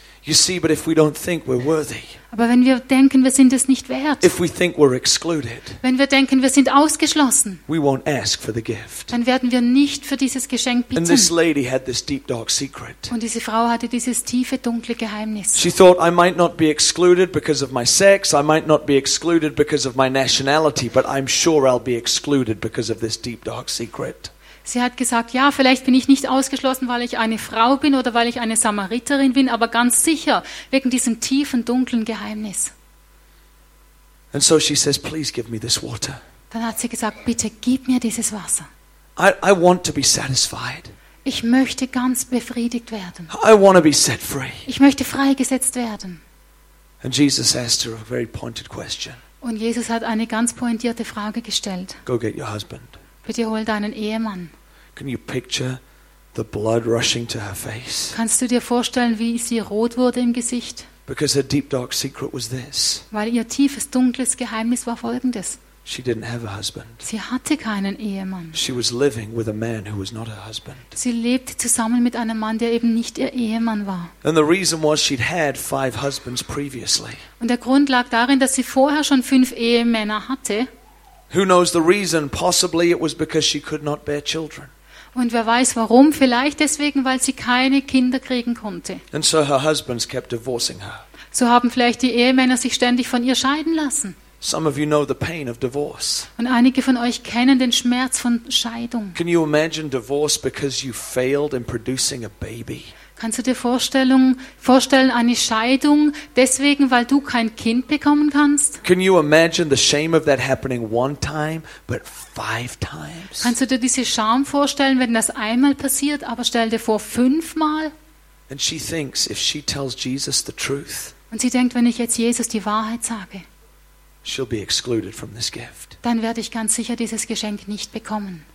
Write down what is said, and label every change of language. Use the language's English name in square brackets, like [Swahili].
[English] You see, but if we don't think we're worthy. [German] Aber wenn wir denken, wir sind es nicht wert. [English] If we think we're excluded. [German] Wenn wir denken, wir sind ausgeschlossen. [English] We won't ask for the gift. [German] Dann werden wir nicht für dieses Geschenk bitten. [English] And this lady had this deep dark secret. [German] Und diese Frau hatte dieses tiefe dunkle Geheimnis. [English] She thought, I might not be excluded because of my sex, I might not be excluded because of my nationality, but I'm sure I'll be excluded because of this deep dark secret. [German] Sie hat gesagt, ja, vielleicht bin ich nicht ausgeschlossen, weil ich eine Frau bin oder weil ich eine Samariterin bin, aber ganz sicher wegen diesem tiefen, dunklen Geheimnis. [English] And so she says, please give me this water. [German] Dann hat sie gesagt, bitte gib mir dieses Wasser. [English] I want to be satisfied. [German] Ich möchte ganz befriedigt werden. [English] I want to be set free. [German] Ich möchte freigesetzt werden. [English] And Jesus asked her a very pointed question. [German] Und Jesus hat eine ganz pointierte Frage gestellt. [English] Go get your husband. [German] Bitte hol deinen Ehemann. [English] Can you picture the blood rushing to her face? [German] Kannst du dir vorstellen, wie sie rot wurde im Gesicht? [English] Because her deep dark secret was this. [German] Weil ihr tiefes dunkles Geheimnis war folgendes. [English] She didn't have a husband. [German] Sie hatte keinen Ehemann. [English] She was living with a man who was not her husband. [German] Sie lebte zusammen mit einem Mann, der eben nicht ihr Ehemann war. [English] And the reason was she'd had 5 husbands previously. [German] Und der Grund lag darin, dass sie vorher schon 5 Ehemänner hatte. [English] Who knows the reason? Possibly it was because she could not bear children. [German] Und wer weiß warum? Vielleicht deswegen, weil sie keine Kinder kriegen konnte. [English] And so her husbands kept divorcing her. [German] So haben vielleicht die Ehemänner sich ständig von ihr scheiden lassen. [English] Some of you know the pain of divorce. [German] Und einige von euch kennen den Schmerz von Scheidung. [English] Can you imagine divorce because you failed in producing a baby? [German] Kannst du dir vorstellen eine Scheidung deswegen, weil du kein Kind bekommen kannst? [English] Can you imagine the shame of that happening one time, but 5 times? [German] Kannst du dir diese Scham vorstellen, wenn das einmal passiert, aber stell dir vor 5-mal? [English] And she thinks if she tells Jesus the truth. [German] Und sie denkt, wenn ich jetzt Jesus die Wahrheit sage. [English] She'll be excluded from this gift. [German] Dann werde ich ganz sicher dieses Geschenk nicht bekommen.